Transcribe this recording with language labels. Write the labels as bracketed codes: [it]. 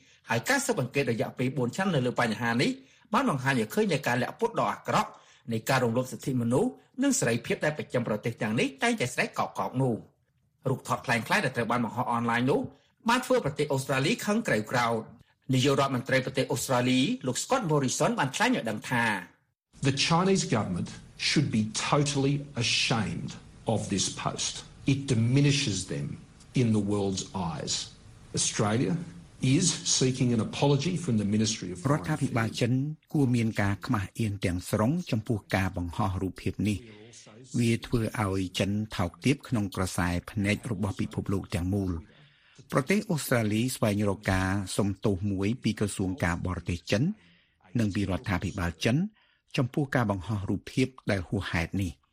[km] ហើយការស៊ើបអង្កេតរយៈពេល4ឆ្នាំនៅលើបញ្ហានេះបានបង្ហាញឱ្យឃើញនូវការលាក់ពុតដ៏អាក្រក់នៃការរំលោភសិទ្ធិមនុស្សនិងសេរីភាពដែលប្រចាំប្រទេសទាំងនេះតែងតែស្រែកកោកកោកនោះរូបថតខ្លែងខ្លាយដែលត្រូវបានបង្ហោះអនឡាញនោះបានធ្វើប្រទេសអូស្ត្រាលីខឹងក្រៅក្រោតនាយករដ្ឋមន្ត្រីប្រទេសអូស្ត្រាលីលោក Scott Morrison បានថ្លែងឱ្យដឹងថា [en] The Chinese government should be totally ashamed of this post. It diminishes them in the world's eyes. Australia is seeking an apology from the Ministry of Foreign Affairs. [km] រដ្ឋាភិបាលចិនគួរមានការខ្មាស់អៀនទាំងស្រុងចំពោះការបង្ហោះរូបភាពនេះ។វាធ្វើឲ្យចិនថោកទាបក្នុងក្រសែភ្នែករបស់ពិភពលោកទាំងមូល។ប្រទេសអូស្ត្រាលីស្វែងរកការសុំទោសមួយពីក្រសួងការបរទេសចិននិងពីរដ្ឋាភិបាលចិនចំពោះការបង្ហោះរូបភាពដែលហួសហេតុនេះ